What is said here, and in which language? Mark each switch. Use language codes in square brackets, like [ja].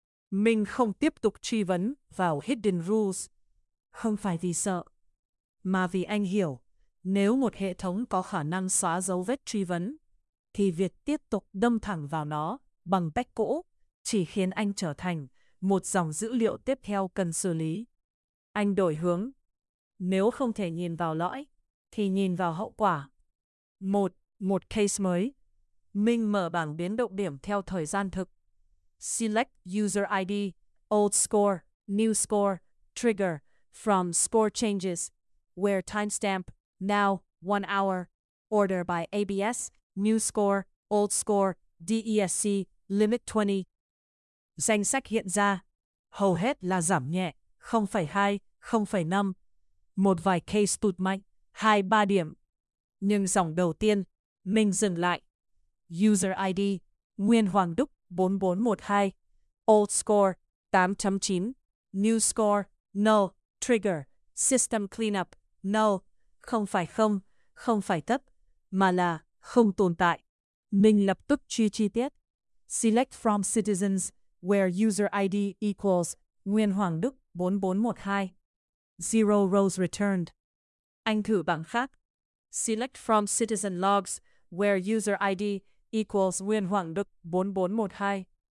[vi] Mình không tiếp tục truy vấn vào Hidden Rules, không phải vì sợ, mà vì anh hiểu, nếu một hệ thống có khả năng xóa dấu vết truy vấn, thì việc tiếp tục đâm thẳng vào nó bằng bách cũ chỉ khiến anh trở thành một dòng dữ liệu tiếp theo cần xử lý. Anh đổi hướng. Nếu không thể nhìn vào lõi, thì nhìn vào hậu quả. Một case mới. Mình mở bảng biến động điểm theo thời gian thực. [en] Select User ID, Old Score, New Score, Trigger, From Score Changes, Where Timestamp, Now, 1 Hour, Order by ABS, New Score, Old Score, DESC, Limit 20. [vi] Danh sách hiện ra, hầu hết là giảm nhẹ, 0.2, 0.5. Một vài case tụt mạnh, 2-3 điểm. Nhưng dòng đầu tiên, mình dừng lại. [en] User ID, Nguyên Hoàng Đức, 4412. Old Score, 8.9. New Score, No. Trigger, System Cleanup, No. [vi] Không phải không, không phải thấp, mà là không tồn tại. Mình lập tức truy chi tiết. [en] Select from Citizens, where user ID equals Nguyên Hoàng Đức, 4412. Zero rows returned. [vi] Anh thử bảng khác. [en] Select from Citizen Logs, where user ID equals Nguyên Hoàng Đức, 4412.